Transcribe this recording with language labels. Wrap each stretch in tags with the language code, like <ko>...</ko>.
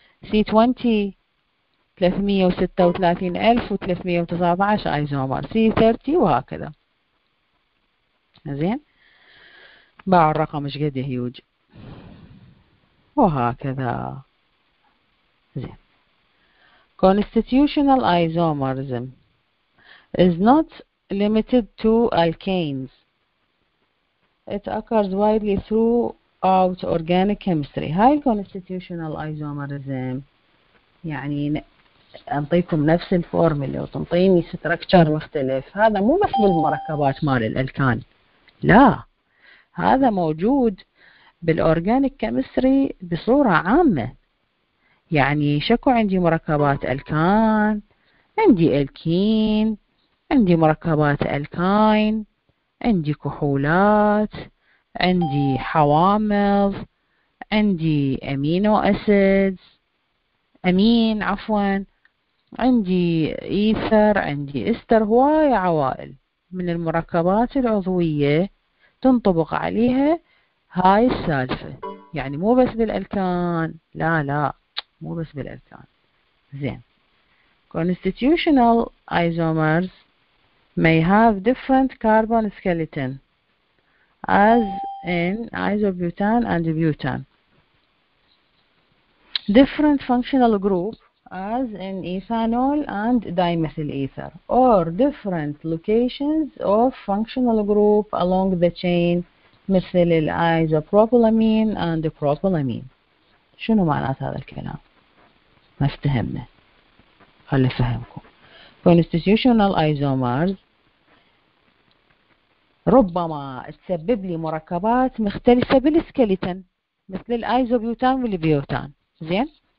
<ar>C20 336319 ايزومر، C30 وهكذا، زين. باع الرقم مش قد هيوج وهكذا، زين.</ar> <en>Constitutional isomerism is not limited to alkanes. It occurs widely throughout organic chemistry.</en> <ar>هاي constitutional isomerism يعني أعطيكم نفس الفورمولا وتنطيني structure مختلف، هذا مو بس بالمركبات مال الألكان، لا هذا موجود بالأورجانيك كيمستري بصورة عامة. يعني شكو عندي مركبات ألكان، عندي ألكين، عندي مركبات ألكاين، عندي كحولات، عندي حوامض، عندي أمينو أسيدز، أمين عفوا، عندي إيثر، عندي إستر، هواي عوائل من المركبات العضوية تنطبق عليها هاي السالفة، يعني مو بس بالألكان، لا لا مو بس بالألكان، زين.</ar> <en>Constitutional isomers may have different carbon skeleton as in isobutan and butan. Different functional group as in ethanol and dimethyl ether, or different locations of functional group along the chain</en> <ar>مثل الايزوبروبولامين اند بروبولامين. شنو معنات هذا الكلام؟ ما افتهمنا، خلي افهمكم. constitutional isomers ربما تسبب لي مركبات مختلفة بالسكلتن مثل الايزوبيوتان والبيوتان، زين.</ar>